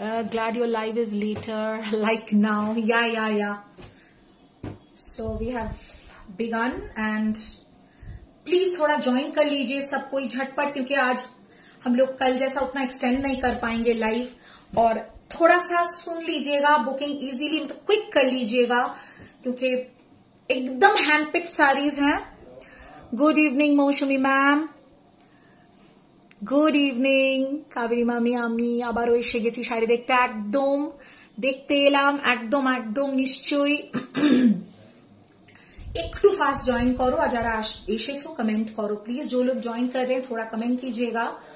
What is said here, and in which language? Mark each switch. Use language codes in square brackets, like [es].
[en] Glad your live is later, like now. Yeah, yeah, yeah. [hi] So we have begun and please थोड़ा join कर लीजिए सब कोई झटपट, क्योंकि आज हम लोग कल जैसा उतना extend नहीं कर पाएंगे live, और थोड़ा सा सुन लीजिएगा booking easily, मतलब quick कर लीजिएगा क्योंकि एकदम handpicked सारीज हैं। [en] Good evening [bn] मौसमी मैम, গুড ইভিনিং কাবেরী মামি, আমি আবারও এসে গেছি শাড়ি দেখতে, একদম দেখতে এলাম, একদম একদম নিশ্চয়ই একটু ফাস্ট জয়েন করো, আর যারা এসেছো কমেন্ট করো প্লিজ, [hi] যে লোক জয়েন করে থোড়া কমেন্ট কিজিয়েগা।